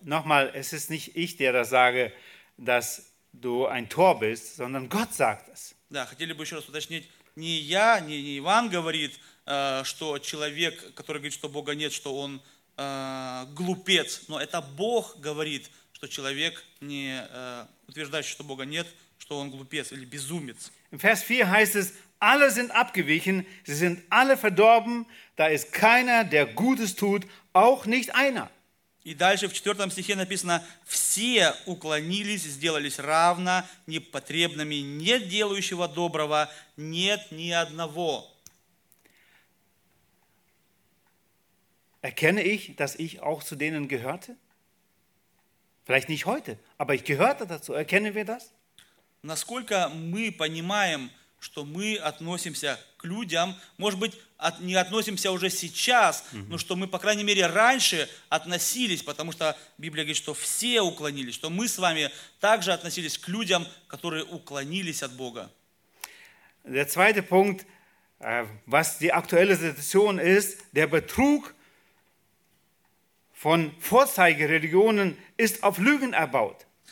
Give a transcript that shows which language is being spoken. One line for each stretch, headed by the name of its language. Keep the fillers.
German: Nochmal, es ist nicht ich, der das sage, dass du ein Tor bist, sondern Gott sagt es.
Russian: Да, хотели бы еще раз уточнить, не я, не, не Иван говорит, äh, что человек, который говорит, что Бога нет, что он äh, глупец, но это Бог говорит, что человек, не утверждающий, что Бога нет, что он глупец или безумец.
German: В 4 heißt es, alle sind abgewichen, sie sind alle verdorben, da ist keiner, der Gutes tut, auch nicht einer.
Russian: И дальше в 4 стихе написано, все уклонились, сделались равно, непотребными, нет делающего доброго, нет ни одного.
German: Erkenne ich, weiß, dass ich auch zu denen gehörte? Vielleicht nicht heute, aber ich gehörte dazu. Erkennen wir das?
Russian: Насколько мы понимаем, что мы относимся к людям, может быть, от, не относимся уже сейчас, mm -hmm. но что мы, по крайней мере, раньше относились, потому что Библия говорит, что все уклонились, что мы с вами также относились к людям, которые уклонились от Бога.
German: Der zweite Punkt, äh, was die aktuelle Situation ist, der Betrug von Vorzeigereligionen ist auf Lügen erbaut.